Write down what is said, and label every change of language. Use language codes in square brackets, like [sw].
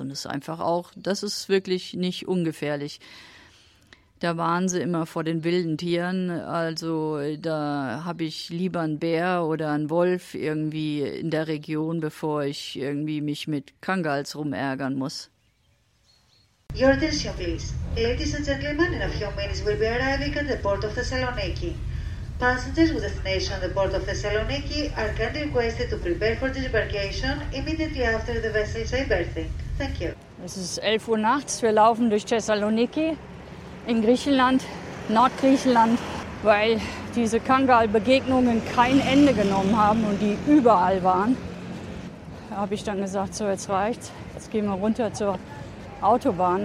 [de] Und es ist einfach auch, das ist wirklich nicht ungefährlich. Da waren sie immer vor den wilden Tieren. Also da habe ich lieber einen Bär oder einen Wolf irgendwie in der Region, bevor ich irgendwie mich mit Kangals rumärgern muss. [en] Your attention please. Ladies and gentlemen, in a few minutes we'll be arriving at the port of Thessaloniki. Passengers with destination at the port of Thessaloniki are kindly requested to prepare for disembarkation immediately after the vessel's berthing. Thank you. [de] Es ist 11 Uhr nachts, wir laufen durch Thessaloniki in Griechenland, Nordgriechenland, weil diese Kangal-Begegnungen kein Ende genommen haben und die überall waren. Da habe ich dann gesagt, so jetzt reicht's, jetzt gehen wir runter zur Autobahn.